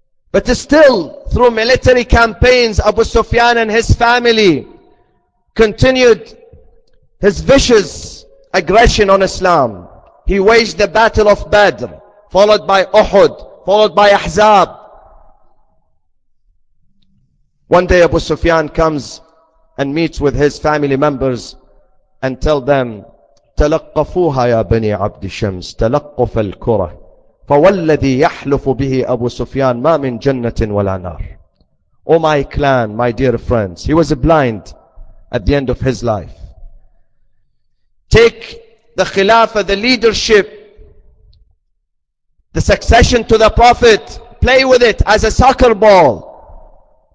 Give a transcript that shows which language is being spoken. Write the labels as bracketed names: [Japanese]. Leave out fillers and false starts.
[English] But still, through military campaigns, Abu Sufyan and his family continued his vicious aggression on Islam. He waged the Battle of Badr, followed by Uhud, followed by Ahzab. One day Abu Sufyan comes and meets with his family members and tell them, [Arabic] تلقفوها يا بني عبد الشمس تلقف الكرة فوالذي يحلف به أبو سفيان ما من جنة ولا نار. [English] Oh my clan, my dear friends. He was blind at the end of his life. Take the Khilafah, the leadership, the succession to the Prophet, play with it as a soccer ball.